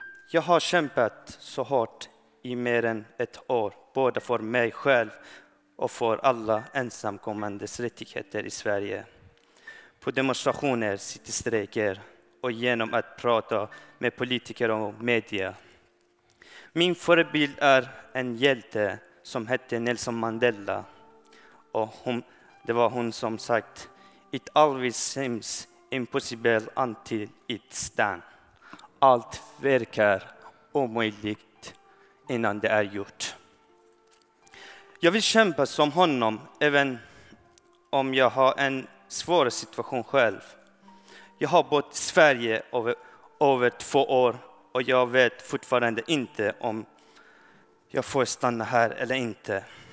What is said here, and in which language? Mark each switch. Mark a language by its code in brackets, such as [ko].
[sv] Jag har kämpat så hårt i mer än ett år, både för mig själv och för alla ensamkommandes rättigheter i Sverige. På demonstrationer, citystrejker och genom att prata med politiker och media. Min förebild är en hjälte som hette Nelson Mandela. Och det var hon som sagt, [en] it always seems impossible until it's done. [sv] Allt verkar omöjligt innan det är gjort. Jag vill kämpa som honom även om jag har en svår situation själv. Jag har bott i Sverige över 2 år och jag vet fortfarande inte om jag får stanna här eller inte.